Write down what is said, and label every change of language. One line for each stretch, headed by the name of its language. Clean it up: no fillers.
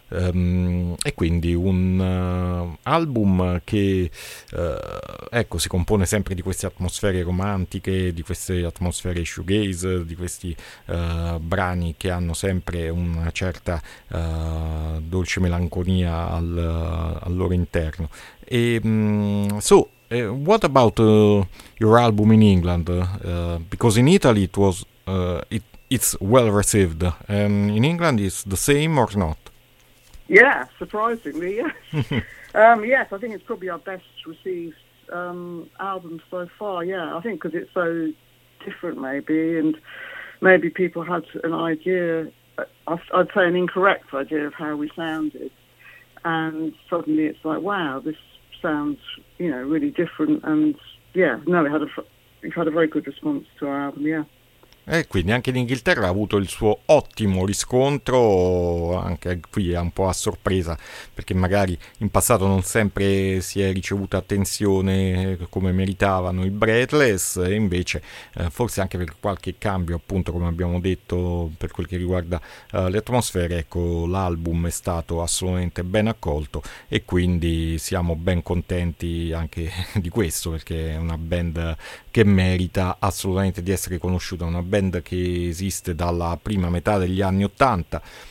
Italian: E quindi un album che si compone sempre di queste atmosfere romantiche, di queste atmosfere shoegaze, di questi brani che hanno sempre una certa dolce melanconia al loro interno.
English: E what about your album in England? Because in Italy it was it's well received. In England, it's the same or not? Yeah, surprisingly, yes. yes, I think it's probably our best received album so far, yeah. I think because it's so different, maybe, and maybe people had an idea, I'd say an incorrect idea of how we sounded, and suddenly it's like, wow, this sounds, you know, really different, and yeah, no, we've had a very good response to our album, yeah.
Italian: E quindi anche in Inghilterra ha avuto il suo ottimo riscontro, anche qui è un po' a sorpresa, perché magari in passato non sempre si è ricevuta attenzione come meritavano i Breathless, e invece forse anche per qualche cambio, appunto, come abbiamo detto, per quel che riguarda le atmosfere, ecco, l'album è stato assolutamente ben accolto e quindi siamo ben contenti anche di questo, perché è una band che merita assolutamente di essere conosciuta, una band che esiste dalla prima metà degli anni 80,